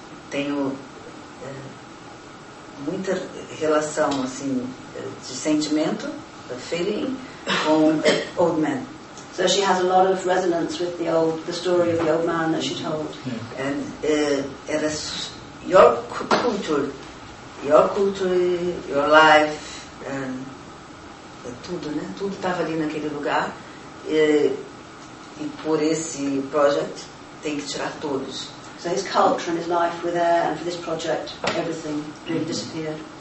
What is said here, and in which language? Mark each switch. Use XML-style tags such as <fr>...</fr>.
<pt>Tenho muita relação, assim, de sentimento, feeling, com</pt> <en>old men. So she has a lot of resonance with the story of the old man that she told. Yeah. And your culture, your life,</en> <pt>tudo, né? Tudo estava ali naquele lugar. E por esse project tem que tirar todos.</pt> <en>So his culture and his life were there, and for this project, everything really disappeared.</en>